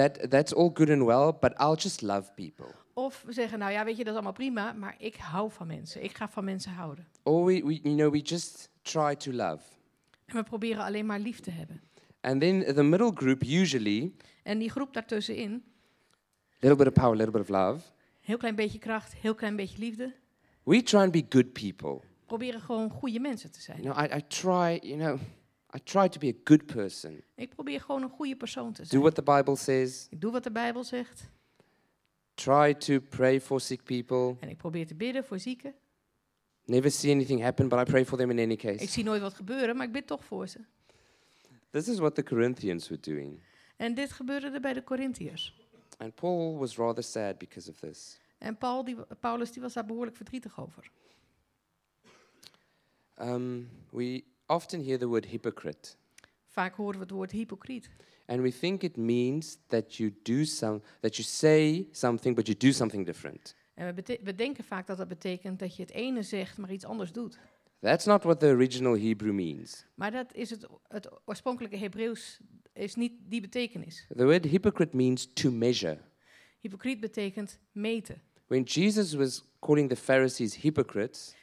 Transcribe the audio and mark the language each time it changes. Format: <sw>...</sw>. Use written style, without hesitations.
<en>That's all good and well, but I'll just love people.</en> <nl>Of we zeggen, nou ja, weet je, dat is allemaal prima, maar ik hou van mensen. Ik ga van mensen houden.</nl> <en>Or we just try to love.</en> <nl>En we proberen alleen maar lief te hebben.</nl> <en>And then the middle group usually.</en> <nl>En die groep daartussenin.</nl> <en>Little bit of power, little bit of love.</en> <nl>Heel klein beetje kracht, heel klein beetje liefde.</nl> <en>We try and be good people.</en> <nl>Proberen gewoon goede mensen te zijn.</nl> <en>You know, I try to be a good person.</en> <nl>Ik probeer gewoon een goede persoon te zijn.</nl> <en>Do what the Bible says.</en> <nl>Ik doe wat de Bijbel zegt.</nl> <en>Try to pray for sick people.</en> <nl>En ik probeer te bidden voor zieken.</nl> <en>Never see anything happen, but I pray for them in any case.</en> <nl>Ik zie nooit wat gebeuren, maar ik bid toch voor ze.</nl> <en>This is what the Corinthians were doing.</en> <nl>En dit gebeurde er bij de Corinthiërs.</nl> <en>And Paul was rather sad because of this.</en> <nl>En Paulus was daar behoorlijk verdrietig over.</nl> <en>We often hear the word hypocrite.</en> <nl>Vaak horen we het woord hypocriet.</nl> <en>And we think it means that you do that you say something but you do something different.</en> <nl>En we denken vaak dat dat betekent dat je het ene zegt maar iets anders doet.</nl> <en>That's not what the original Hebrew means.</en> <nl>Maar dat is het oorspronkelijke Hebreeuws is niet die betekenis.</nl> <en>The word hypocrite means to measure.</en> <nl>Hypocriet betekent meten.</nl> <en>When Jesus was calling the Pharisees hypocrites.</en>